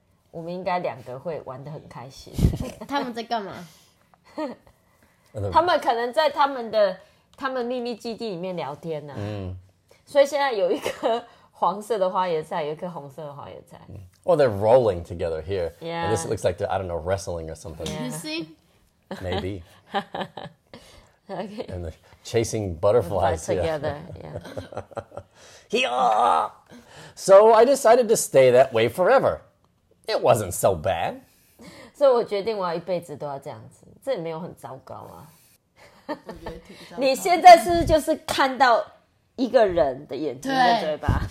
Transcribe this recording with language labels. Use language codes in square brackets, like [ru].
[zh] 我们应该两个会玩得很开心。他们在干嘛？他们可能在他们秘密基地里面聊天呢、啊，所以现在有一颗黄色的花椰菜，有一颗红色的花椰菜。 [en] Well, they're rolling together here. Yeah. And this looks like they're, I don't know, wrestling or something. You see? Maybe. Okay. And they're chasing butterflies together. Yeah. So I decided to stay that way forever. It wasn't so bad. [zh] 所以我决定我要一辈子都要这样子，这也没有很糟糕啊。你现在是不是就是看到一个人的眼睛的嘴巴？